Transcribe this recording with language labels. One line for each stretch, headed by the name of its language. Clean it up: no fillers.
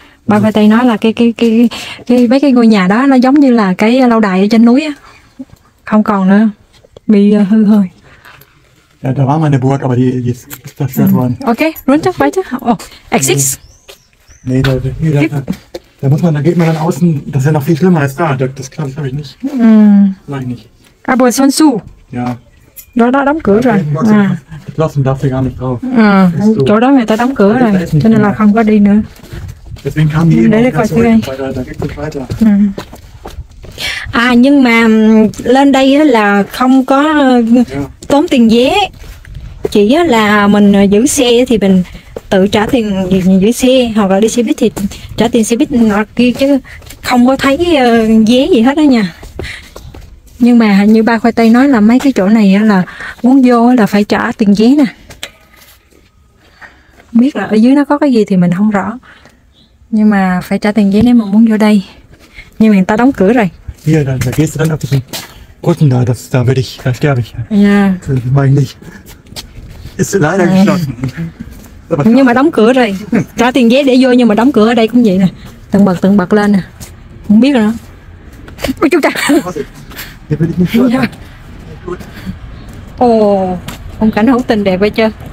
Vietnamese: Bà bà Tây nói là mấy cái ngôi nhà đó nó giống như là cái lâu đài ở trên núi á. Không còn nữa. Bị hư hơi.
German: Ja, da war meine Burg, aber die ist zerstört worden. Okay, runter, weiter.
English: Oh, exit.
German: Nee, da muss man, da geht man dann außen, das ist ja noch viel schlimmer als da. Das kann ich nicht. Nein, nicht. Aber es ist zu. Ja.
Vietnamese: Da đóng cửa rồi.
German: Geschlossen darf ich gar nicht drauf.
Vietnamese: Chỗ đó người ta đóng cửa rồi, cho nên là không có đi nữa. Deswegen kam die À nhưng mà lên đây là không có tốn tiền vé. Chỉ là mình giữ xe thì mình tự trả tiền giữ xe hoặc là đi xe buýt thì trả tiền xe buýt hoặc kia chứ không có thấy vé gì hết đó nha. Nhưng mà như ba khoai tây nói là mấy cái chỗ này là muốn vô là phải trả tiền vé nè. Biết là ở dưới nó có cái gì thì mình không rõ. Nhưng mà phải trả tiền vé nếu mà muốn vô đây. Nhưng mà người ta đóng cửa rồi.
German: Hier, da gehst du dann auf diesen Brücken da, das, da werde ich, da sterbe ich. Ja. Yeah. Das mein ich nicht. Ist leider geschlossen.
Vietnamese: Nhưng mà đóng cửa rồi. Trả tiền vé để vô nhưng mà đóng cửa ở đây cũng vậy nè. Từng bật lên nè. Không biết rồi đó. Ôi chú cha. Ồ, phong cảnh hữu tình đẹp vậy chứ.